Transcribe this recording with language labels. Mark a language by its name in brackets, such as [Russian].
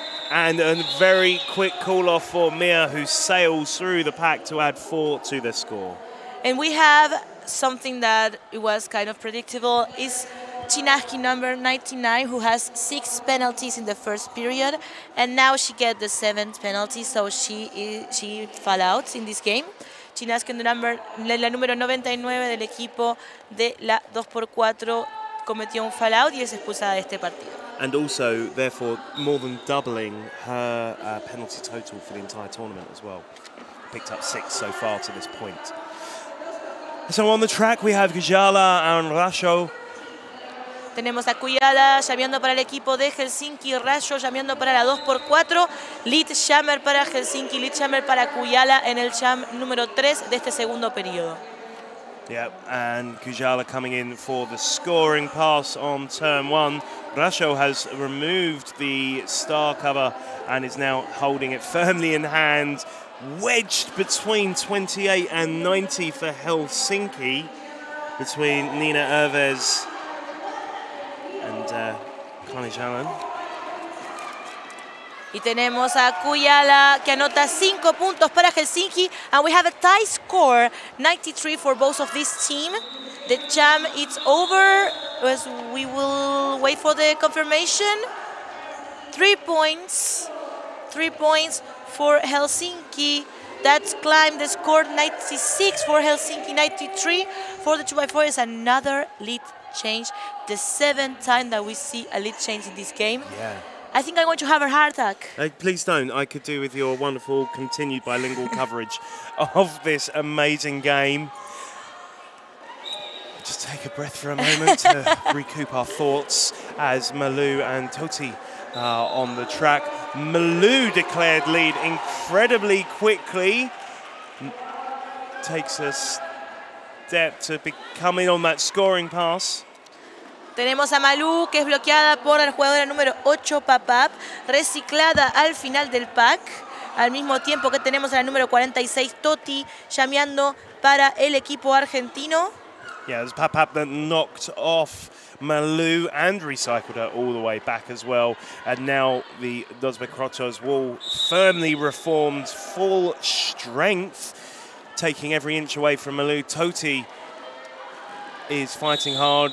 [English] And a very quick call-off for Mia, who sails through the pack to add 4 to the score. And we have something that was kind of predictable. It's Chinaski number 99, who has 6 penalties in the first period. And now she gets the 7th penalty, so she fell out in this game. [Spanish] Chinaski, la número 99 del equipo de la 2x4, cometió un fall out y es expulsada de este partido. [English] And also, therefore, more than doubling her penalty total for the entire tournament as well. Picked up 6 so far to this point. So on the track, we have Gujala and Rasho. [Spanish] Tenemos a Cuyala llamando para el equipo de Helsinki, Rasho llamando para la 2x4. Lillehammer para Helsinki, Lillehammer para Cuyala en el jam número 3 de este segundo periodo. [English] Yep, and Kujala coming in for the scoring pass on turn one. Rasho has removed the star cover and is now holding it firmly in hand, wedged between 28 and 90 for Helsinki, between Nina Irves and Connie Jalen. [Spanish] Y tenemos a Cuyala, que anota 5 puntos para Helsinki. [English] And we have a tie score, 93 for both of this team. The jam is over, as we will wait for the confirmation. 3 points for Helsinki. That's climbed the score, 96 for Helsinki, 93 for the 2x4. Is another lead change. The 7th time that we see a lead change in this game. Yeah. I think I want to have a heart attack. Please don't. I could do with your wonderful continued bilingual coverage of this amazing game. Just take a breath for a moment to recoup our thoughts as Malou and Toti are on the track. Malou declared lead incredibly quickly. Takes a step to coming on that scoring pass. [Spanish] Tenemos a Malou, que es bloqueada por la jugadora número 8, Papap, reciclada al final del pack. Al mismo tiempo que tenemos a la número 46, Toti, llameando para el equipo argentino. [English] Yeah, it was Papap that knocked off Malou and recycled her all the way back as well. And now the Dosbekrotos wall firmly reformed, full strength, taking every inch away from Malou. Toti is fighting hard.